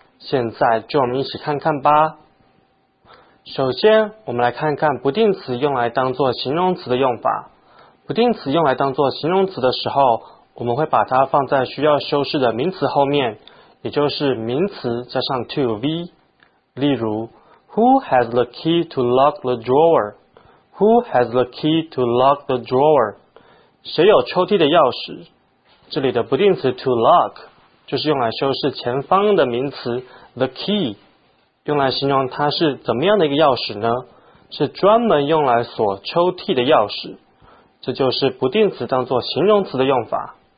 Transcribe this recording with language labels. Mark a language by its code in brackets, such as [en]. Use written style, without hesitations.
[zh] 现在就我们一起看看吧。首先，我们来看看不定词用来当作形容词的用法。不定词用来当作形容词的时候，我们会把它放在需要修饰的名词后面，也就是名词加上 to v。例如 [en] ，Who has the key to lock the drawer? Who has the key to lock the drawer? [zh] 谁有抽屉的钥匙？这里的不定词 to lock。就是用来修饰前方的名词 the key， 用来形容它是怎么样的一个钥匙呢？是专门用来锁抽屉的钥匙。这就是不定词当作形容词的用法。